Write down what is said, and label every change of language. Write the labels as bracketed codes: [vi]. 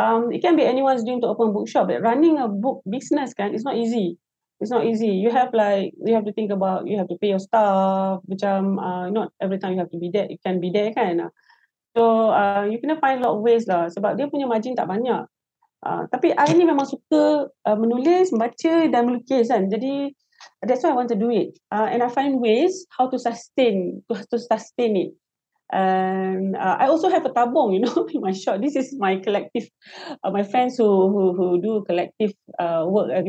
[en] It can be anyone's dream to open a bookshop, but running a book business kan, it's not easy. You have to think about, you have to pay your staff, [ms] macam, [en] not every time you have to be there, you can be there kan. So, you kena find a lot of ways lah, [ms] sebab dia punya margin tak banyak. Tapi [en] I [ms] ni memang suka menulis, membaca dan melukis kan. Jadi, [en] that's why I want to do it. And I find ways how to sustain it. And I also have a tabung, you know, in my shop. This is my collective, my friends who do collective work.